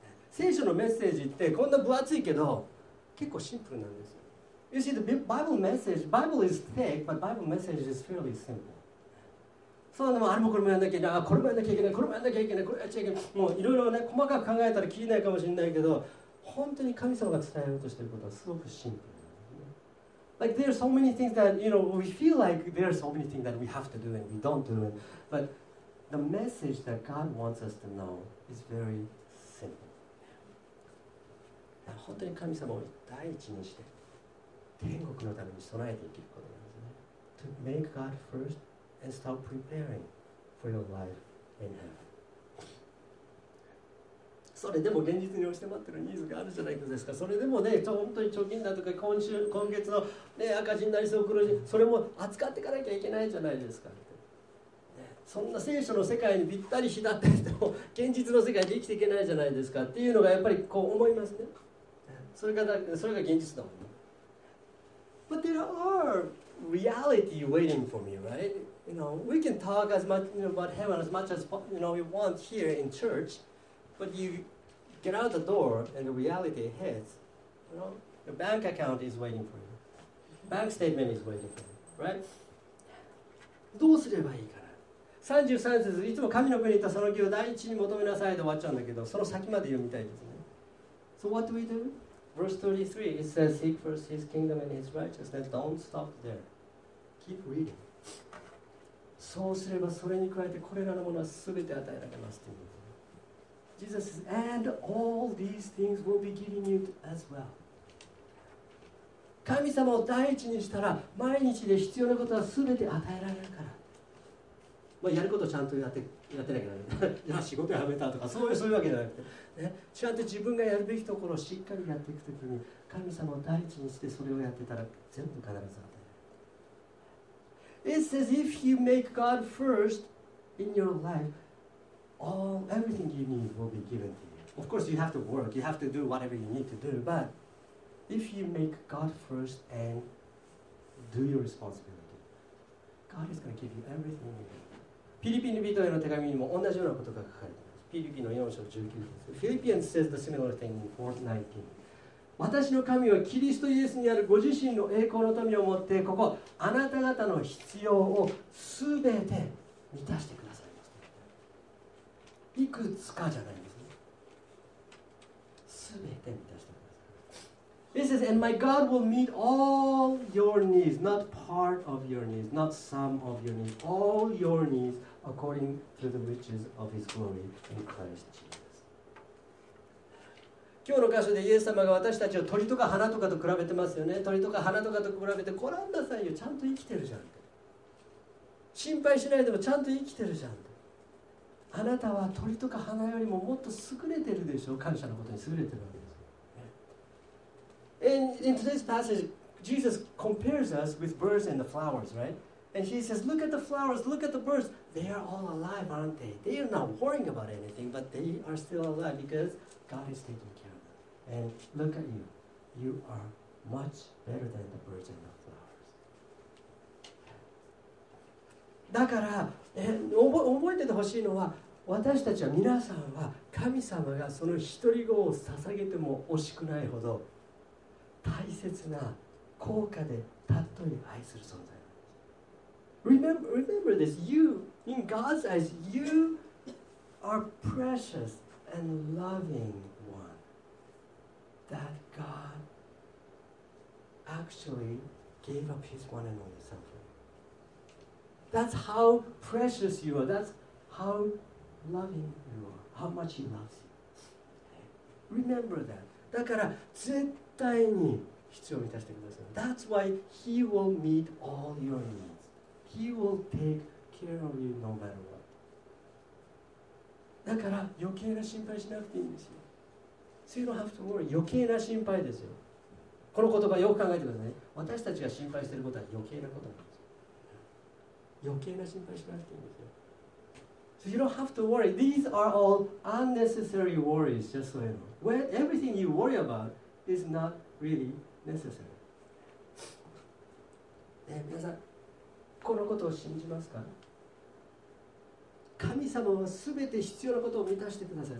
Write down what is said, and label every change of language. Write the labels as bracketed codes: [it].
[ja] 聖書のメッセージってこんな分厚いけど、結構シンプルなんですよ。 [en] You see, the Bible message, Bible is thick, but Bible message is fairly simple. [ja] そうでもあれもこれもやんなきゃいけない、これもやんなきゃいけない、これもやんなきゃいけない、これやっちゃいけない、もういろいろね、細かく考えたら聞いないかもしれないけど、本当に神様が伝えようとしていることはすごくシンプル。 [en] Like there are so many things that, you know, we feel like there are so many things that we have to do and we don't do it. But the message that God wants us to know is very simple. [ja] 本当に神様を第一にして天国のために備えていけることなんですね。 [en] To make God first and start preparing for your life in heaven. [ja] それでも現実に押して待ってるニーズがあるじゃないですか。それでもね、本当に貯金だとか今月の、ね、赤字になりそう黒字、それも扱っていかなきゃいけないじゃないですか、ね、そんな聖書の世界にぴったりひだってても現実の世界で生きていけないじゃないですかっていうのがやっぱりこう思いますね。それが現実だもん、ね、 [en] But there are reality waiting for me, right? You know, we can talk as much, you know, about heaven as much as you know we want here in churchBut you get out the door and the reality hits, you know, your bank account is waiting for you. Bank statement is waiting for you, right? [ja] どうすればいいかな?33節、いつも神の国とその義を第一に求めなさいで終わっちゃうんだけど、その先まで読みたいですね。 [en] So what do we do? Verse 33, it says, Seek first his kingdom and his righteousness. Don't stop there. Keep reading. [ja] そうすればそれに加えてこれらのものは全て与えられますっていう。 [en] Jesus says, and all these things will be given you as well. [ja] 神様を第一にしたら、毎日で必要なことは全て与えられるから。まあ、やることをちゃんとやってなきゃいけない。仕事辞めたとか、そういうわけじゃなくて、ね。ちゃんと自分がやるべきところをしっかりやっていくときに、神様を第一にしてそれをやってたら、全部必ず与えられる。 [en] It says, if you make God first in your life,Everything you need will be given to you. Of course, you have to work. You have to do whatever you need to do. But if you make God first and do your responsibility, God is going to give you everything you need. [ja] フィリピン人への手紙にも同じようなことが書かれています。フィリピンの4章19節。 [en] フィリピンズ says the similar thing in 4:19. [ja] 私の神はキリストイエスにあるご自身の栄光の富をもって、ここ、あなた方の必要をすべて満たしてください。いくつかじゃないんですね。すべて満たしてください。 [en] It says, and my God will meet all your needs, not part of your needs, not some of your needs, all your needs according to the riches of his glory in Christ Jesus. [ja] 今日の箇所でイエス様が私たちを鳥とか花とかと比べてますよね。鳥とか花とかと比べて、ご覧なさいよ、ちゃんと生きてるじゃん。心配しないでもちゃんと生きてるじゃん。あなたは鳥とか花よりももっと優れてるでしょう。感謝のことに優れてるわけです。 [en] In today's passage, Jesus compares us with birds and the flowers, right? And he says, look at the flowers, look at the birds. They are all alive, aren't they? They are not worrying about anything, but they are still alive because God is taking care of them. And look at you. You are much better than the birds and the flowers. [ja] だから、覚えててほしいのは、私たちは皆さんは神様がその一人子を捧げても惜しくないほど大切な高価で尊い愛する存在なんです。 [en] remember this. You, in God's eyes, you are precious and loving one. That God actually gave up his one and only Son for you. That's how precious you are. That's how loving you are. How much he loves you. Remember that. [ja] だから絶対に必要を満たしてください。 [en] That's why he will meet all your needs. He will take care of you no matter what. [ja] だから余計な心配しなくていいんですよ。 [en] So you don't have to worry. [ja] 余計な心配ですよ。この言葉よく考えてくださいね。私たちが心配していることは余計なことなんですよ。余計な心配しなくていいんですよ。 [en] So you don't have to worry. These are all unnecessary worries, just so you know. When everything you worry about is not really necessary. [ja] ね、皆さん、このことを信じますか？神様は全て必要なことを満たしてください。